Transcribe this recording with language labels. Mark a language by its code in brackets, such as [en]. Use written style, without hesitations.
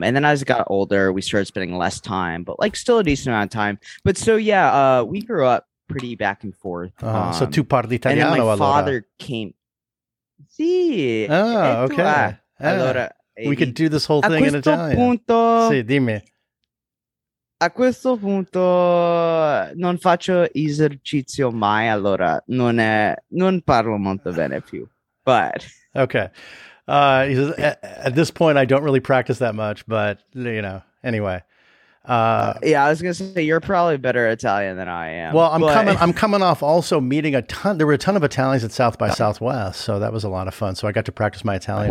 [en] And then as I got older, we started spending less time, but like still a decent amount of time. But so yeah, we grew up pretty back and forth. [it] Uh-huh. So tu parli italiano. [en] And then my father came. Sì. Oh, okay. [it] Allora. We could do this whole thing in Italian. Punto, sì, dimmi. A questo punto non faccio esercizio mai, allora non parlo molto bene più. [en] But okay. He says, at this point I don't really practice that much, but you know, anyway. I was going to say you're probably better Italian than I am. Well, I'm coming off also meeting a ton. There were a ton of Italians at South by Southwest, so that was a lot of fun. So I got to practice my Italian.